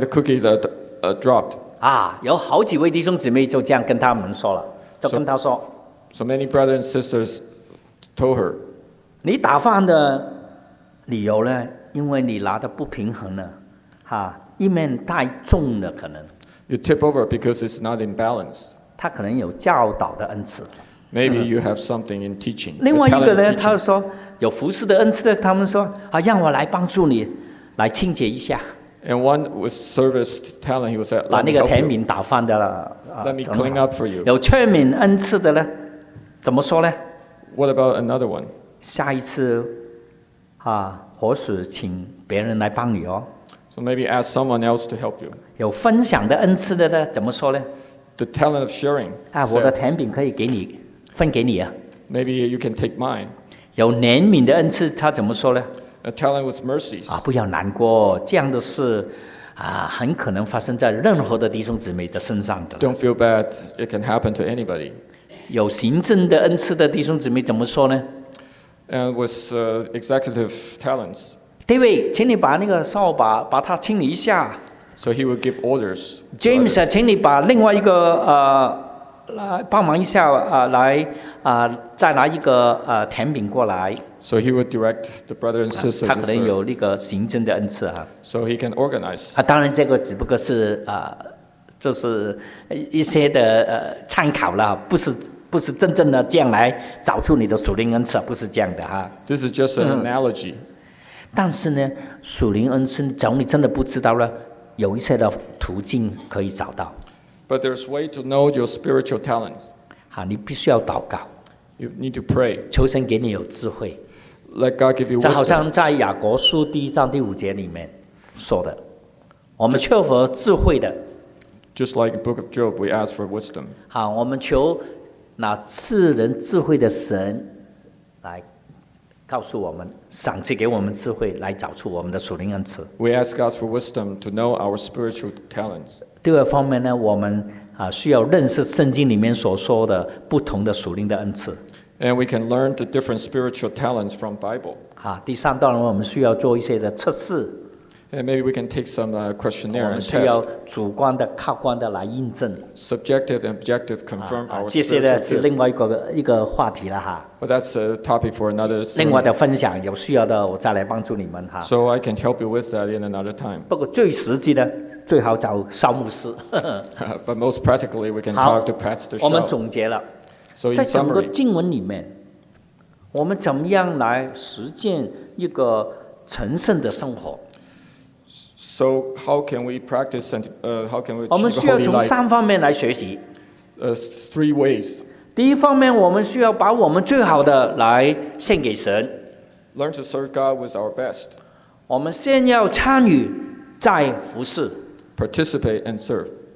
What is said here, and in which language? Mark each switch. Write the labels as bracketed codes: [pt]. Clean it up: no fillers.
[en] And the cookie that dropped. [zh] 有好几位弟兄姊妹就这样跟他们说了，就跟他说。 [en] So many brothers and sisters told her. [zh] 你打翻的理由呢？因为你拿的不平衡了，一面太重了可能。 [en] You tip over because it's not in balance. [zh] 他可能有教导的恩赐。 [en] Maybe you have something in teaching. [zh] 另外一个呢，他说有服事的恩赐的，他们说让我来帮助你。来清洁一下。 [en] And one with service talent, he was at. [zh] 把那个甜饼打翻的了。 [en] Let me clean up for you. [zh] 有劝勉恩赐的呢，怎么说呢 [en] ？What about another one? [zh] 下一次，或许请别人来帮你哦。 [en] So maybe ask someone else to help you. [zh] 有分享的恩赐的呢，怎么说呢 [en] ？The talent of sharing. [zh] 我的甜饼可以给你分给你啊。 [en] Maybe you can take mine. [zh] 有怜悯的恩赐，他怎么说呢？ [en] A talent with mercies. [zh] 不要难过，这样的事，很可能发生在任何的弟兄姊妹的身上的。 [en] Don't feel bad. It can happen to anybody. [zh] 有行政的恩赐的弟兄姊妹怎么说呢 [en] ？And with executive talents. [zh] David, 请你把那个扫把把它清理一下。 [en] So he will give orders. [zh] James, 请你把另外一个来帮忙一下来再拿一个甜饼过来。 [en] So he would direct the brother and sister. [zh] 他可能有那个行政的恩赐啊。 [en] So he can organize. [zh] 当然这个只不过是就是一些的参考了，不是真正的这样来找出你的属灵恩赐，不是这样的哈。 [en] This is just an analogy. [zh] 但是呢，属灵恩赐，假如你真的不知道了，有一些的途径可以找到。 [en] But there's way to know your spiritual talents. [zh] 你必须要祷告。 [en] You need to pray. [zh] 求神给你有智慧。 [en] Let God give you wisdom. [zh] 这好像在雅各书第一章第五节里面说的，我们求佛智慧的。 [en] Just like the book of Job, we ask for wisdom. [zh] 我们求那赐人智慧的神来告诉我们，赏赐给我们智慧，来找出我们的属灵恩赐。 [en] We ask God for wisdom to know our spiritual talents. [zh] 第二方面呢，我们需要认识圣经里面所说的不同的属灵的恩赐。 [en] And we can learn the different spiritual talents from Bible. [zh] 第三，当然我们需要做一些的测试。 [en] And maybe we can take some questionnaire and test. [zh] 我们需要主观的、客观的来印证。 [en] Subjective and objective confirm our spiritual gifts. [zh] 这些呢是另外一个话题了 [en] But that's a topic for another. [zh] 另外的分享有需要的，我再来帮助你们 [en] So I can help you with that in another time. [zh] 不过最实际的，最好找邵牧师。 [en] But most practically, we can talk to Pastor Shaw. [zh] 我们总结了，在整个经文里面，我们怎么样来实践一个成圣的生活？ [en] So how can we practice and how can we achieve a holy life? [zh] 我们需要从三方面来学习。 [en] three ways. [zh] 第一方面，我们需要把我们最好的来献给神。 [en] Learn to serve God with our best. [zh] 我们先要参与在服事。 [en] Participate and serve.